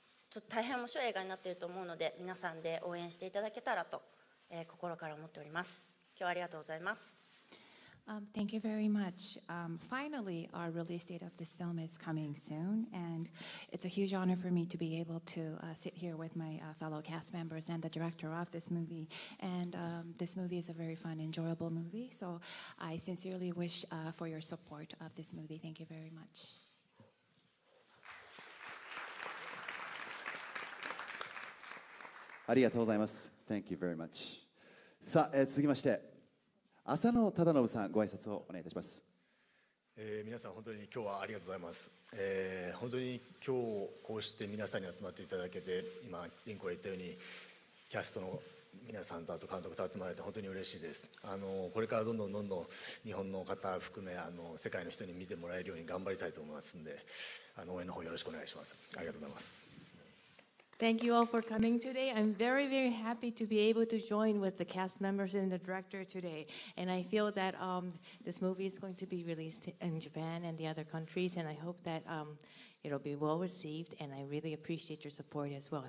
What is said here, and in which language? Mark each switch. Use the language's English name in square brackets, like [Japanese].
[Japanese] ちょっと大変面白い映画になっていると思うので、皆さんで応援していただけたらと、心から思っております。今日はありがとうございます。 [English] Thank you very much. Finally, our release date of this film is coming soon, and it's a huge honor for me to be able to sit here with my fellow cast members and the director of this movie. And this movie is a very fun, enjoyable movie, so I sincerely wish for your support of this movie. Thank you very much. [Japanese] ありがとうございます。 [English] Thank you very much. [Japanese] さあ、続きまして、浅野忠信さん、ご挨拶をお願いいたします。皆さん、本当に今日はありがとうございます。本当に今日こうして皆さんに集まっていただけて、今、リンコが言ったように、キャストの皆さんとあと監督と集まれて本当に嬉しいです。これからどんどんどんどん日本の方含め、世界の人に見てもらえるように頑張りたいと思いますので、応援の方よろしくお願いします。ありがとうございます。 [English] Thank you all for coming today. I'm very, very happy to be able to join with the cast members and the director today. And I feel that this movie is going to be released in Japan and the other countries. And I hope that it'll be well received. And I really appreciate your support as well.